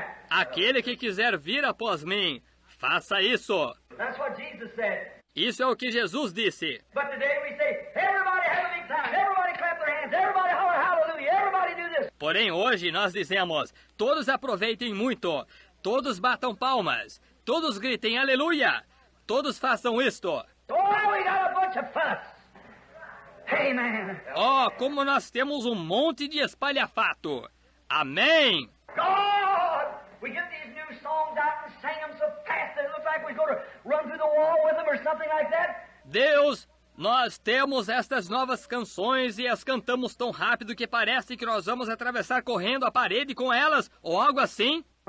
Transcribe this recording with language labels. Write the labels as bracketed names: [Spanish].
[Portuguese] Aquele que quiser vir após mim, faça isso. [English] That's what Jesus said. [Portuguese] Isso é o que Jesus disse. [English] But today we say, everybody have a big time. Everybody clap their hands. Everybody holler hallelujah. Everybody do this. [Portuguese] Porém, hoje nós dizemos, todos aproveitem muito. Todos batam palmas. Todos gritem aleluia. Todos façam isto. [English] Oh, we got a bunch of fuss. Amen. [Portuguese] Oh, como nós temos um monte de espalhafato. Amém. [English] God, we get these new songs out and sing them so fast that it looks like we're going to run through the wall with them or something like that. [Portuguese] Deus, nós temos estas novas canções e as cantamos tão rápido que parece que nós vamos atravessar correndo a parede com elas ou algo assim.